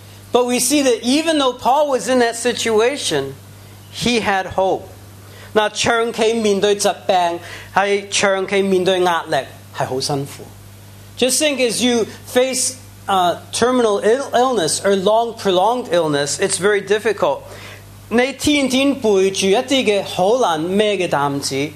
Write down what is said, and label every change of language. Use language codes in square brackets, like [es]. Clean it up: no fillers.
[en] But we see that even though Paul was in that situation, he had hope. [zh] 那长期面对疾病，是长期面对压力，是很辛苦。 [en] Just think as you face terminal illness or long prolonged illness, it's very difficult. [zh] 你天天背着一些很难背的担子。